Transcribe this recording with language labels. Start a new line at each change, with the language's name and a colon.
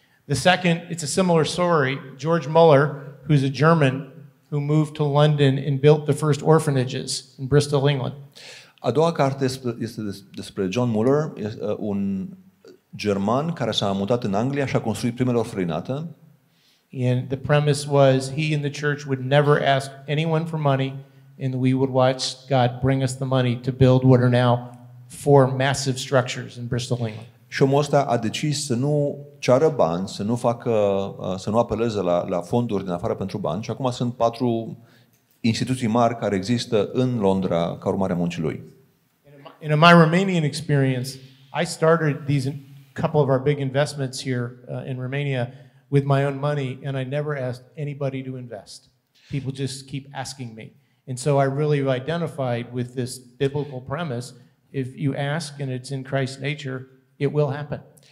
English: The second, it's a similar story, George Muller, who's a German who moved to London and built the first orphanages in Bristol, England.
Romanian: A doua carte este despre John Muller, un german care s-a mutat în Anglia și a construit primele orfelinate.
English: And the premise was he and the church would never ask anyone for money and we would watch God bring us the money to build what are now four massive structures in Bristol, England.
Romanian: Și omul ăsta a decis să nu ceară bani, să nu facă, să nu apeleze la fonduri din afară pentru bani și acum sunt patru instituții mari care există în Londra ca urmare a muncii lui.
English: In my Romanian experience, I started these couple of our big investments here in Romania with my own money and I never asked anybody to invest. People just keep asking me. And so I really identified with this biblical premise, if you ask and it's in Christ's nature, it will happen.